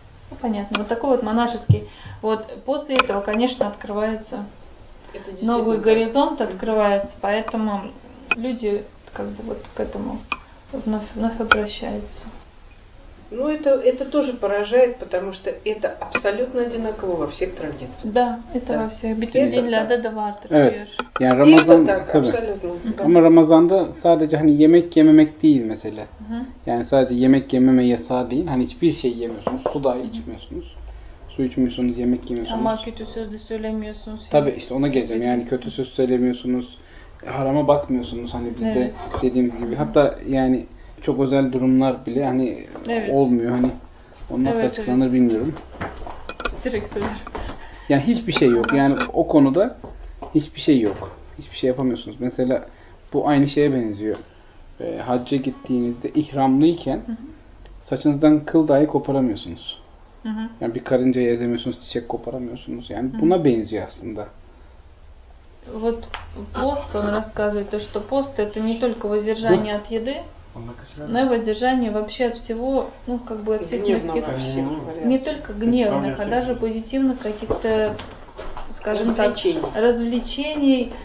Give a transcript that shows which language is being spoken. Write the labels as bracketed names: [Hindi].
[Russian] Ну, понятно, вот такой вот монашеский. Вот после этого, конечно, открывается новый горизонт, открывается, поэтому люди как бы вот к этому вновь обращаются. Ну, это тоже поражает, потому что это абсолютно одинаково во всех традициях. Да, это во всех. Битумилля, да, да, вартер. [Turkish] Evet. Yani Ramazan, [Russian] это так, [Turkish] tabii. [Russian] Абсолютно. Да. [Turkish] Ama Ramazan'da sadece hani yemek yememek değil mesele. Yani sadece yemek yememe yasağı değil. Hani hiçbir şey yemiyorsunuz. Su da içmiyorsunuz. su içmiyorsunuz, yemek yemiyorsunuz. Ama kötü söz de söylemiyorsunuz. Tabii işte ona geleceğim. Yani kötü söz söylemiyorsunuz. Harama bakmıyorsunuz hani bizde evet. dediğimiz gibi. Hatta yani çok özel durumlar bile hani evet. olmuyor. Hani onun nasıl evet, açıklanır evet. bilmiyorum. Direkt söylerim. Yani hiçbir şey yok. Yani o konuda hiçbir şey yok. Hiçbir şey yapamıyorsunuz. Mesela bu aynı şeye benziyor. Hacca gittiğinizde ihramlıyken saçınızdan kıl dahi koparamıyorsunuz. Hı hı. Yani bir karınca ezemiyorsunuz, çiçek koparamıyorsunuz. Yani hı. buna benziyor aslında. [Russian] Вот пост он рассказывает то, что пост это не только воздержание от еды, но и воздержание вообще от всего, ну как бы от всех мирских, не только гневных, а даже позитивных каких-то, скажем так, развлечений.